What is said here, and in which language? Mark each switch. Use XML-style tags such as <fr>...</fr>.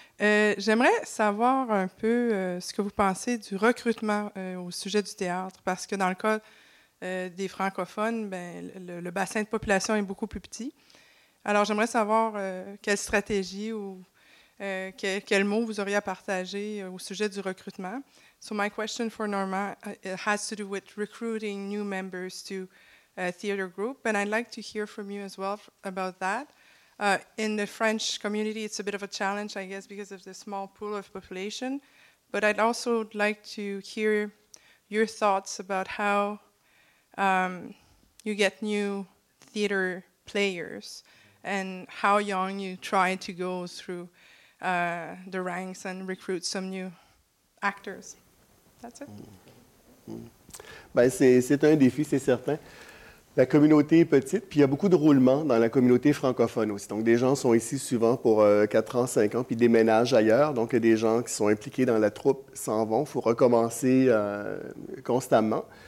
<fr>J'aimerais savoir un peu ce que vous pensez du recrutement au sujet du théâtre, parce que dans le cas des francophones, ben, le bassin de population est beaucoup plus petit. Alors, j'aimerais savoir quelle stratégie ou... quel mot vous auriez à partager au sujet du recrutement.</fr> <en>So my question for Norma has to do with recruiting new members to a theater group, and I'd like to hear from you as well about that. In the French community, it's a bit of a challenge, I guess, because of the small pool of population, but I'd also like to hear your thoughts about how you get new theater players and how young you try to go through the ranks and recruit some new actors. That's it.</en> <fr>Ben c'est un défi, c'est certain. La communauté est petite, puis il y a beaucoup de roulement dans la communauté francophone aussi. Donc, des gens sont ici souvent pour 4 ans, 5 ans, puis déménagent ailleurs. Donc, des gens qui sont impliqués dans la troupe s'en vont. Il faut recommencer constamment.</fr>